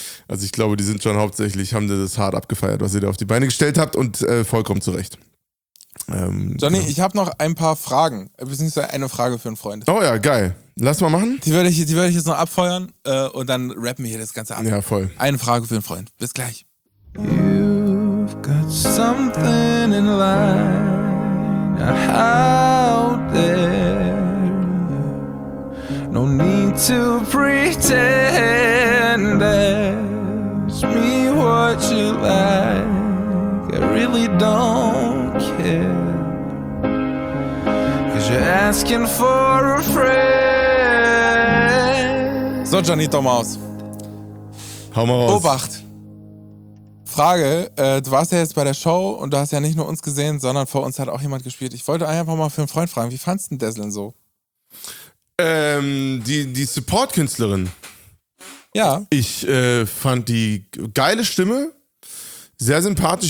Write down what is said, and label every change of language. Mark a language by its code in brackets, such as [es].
[de] Also ich glaube, die sind schon hauptsächlich, haben das hart abgefeiert, was ihr da auf die Beine gestellt habt und vollkommen zu Recht. Johnny, ja. Ich habe noch ein paar Fragen, beziehungsweise eine Frage für einen Freund. Oh ja, geil. Lass mal machen. Die würde ich jetzt noch abfeuern und dann rappen wir hier das Ganze ab. Ja, voll. Eine Frage für einen Freund. Bis gleich. [en] You've got something in line out there. No need to pretend. Ask me what you like. I really don't care. 'Cause you're asking for a friend. [de] So, Johnny Thomas. Hau mal raus. Obacht. Frage, du warst ja jetzt bei der Show und du hast ja nicht nur uns gesehen, sondern vor uns hat auch jemand gespielt. Ich wollte einfach mal für einen Freund fragen, wie fandst du denn Deslin so? Die Support-Künstlerin. Ja. Ich fand die geile Stimme, sehr sympathisch.